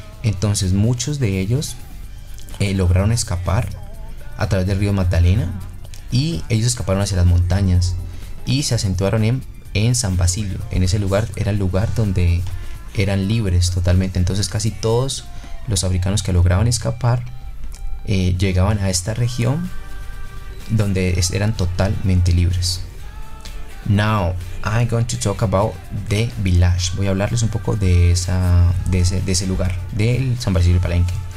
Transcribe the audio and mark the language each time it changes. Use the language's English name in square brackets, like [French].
[Spanish] Entonces muchos de ellos lograron escapar a través del río Magdalena, y ellos escaparon hacia las montañas y se acentuaron en San Basilio. En ese lugar era el lugar donde eran libres totalmente. Entonces casi todos los africanos que lograban escapar llegaban a esta región donde eran totalmente libres. [English] Now I'm going to talk about the village. [Spanish] Voy a hablarles un poco de ese lugar, del San Basilio de Palenque.